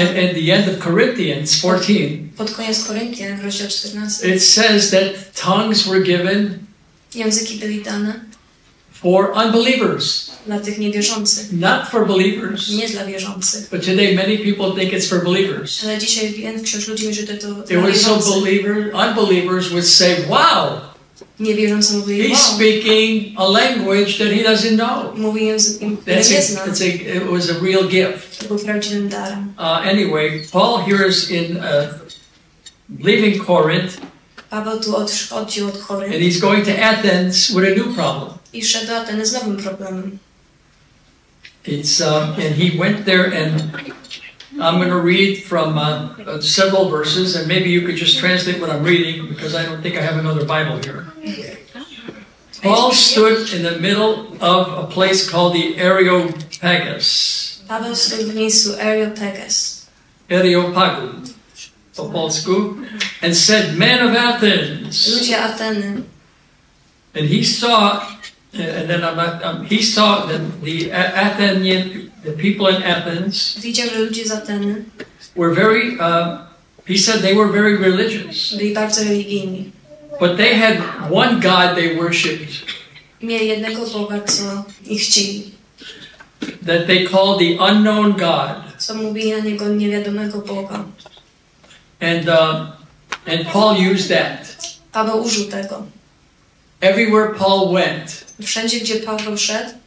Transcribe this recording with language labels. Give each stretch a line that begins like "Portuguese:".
English: And at the end of Corinthians 14,
Polish: pod koniec Koryntian, rozdział 14,
English: it says that tongues were given,
Polish: języki byli dane,
English: for unbelievers.
Polish: Dla tych niewierzących.
English: Not for believers.
Polish: Nie dla wierzących.
English: But today many people think it's for believers.
Polish: Ale dzisiaj większość ludzi myśli, że to dla wierzących.
English: So unbelievers would say, wow!
Polish: Niewierzący mówili, wow!
English: He's speaking a language that he doesn't know.
Polish: Mówi językiem, który nie zna.
English: It was a real gift.
Polish: To był prawdziwym darem.
English: Anyway, Paul here is in leaving Corinth.
Polish: Paweł tu odchodził od Korynt.
English: And he's going to Athens with a new problem.
Polish: I szedł do Ateny z nowym problemem.
English: It's and he went there and I'm going to read from several verses and maybe you could just translate what I'm reading because I don't think I have another Bible here. Paul stood in the middle of a place called the Areopagus.
Polish: Paweł stoi w miejscu Areopagus. Areopagu. Po polsku,
English: and said, "Men of Athens."
Polish: Ludzie Ateny.
English: And he saw, and then he saw that the Athenian, the people in Athens,
Polish: widział, że ludzie z Ateny
English: were very. He said they were very religious.
Polish: Byli bardzo religijni.
English: But they had one god they worshipped.
Polish: Mieli jednego boga, co ich czcili.
English: That they called the unknown god.
Polish: Co mówili na niego niewiadomego boga.
English: And Paul used that.
Polish: Paweł użył tego.
English: Everywhere Paul went,
Polish: wszędzie gdzie Paweł szedł,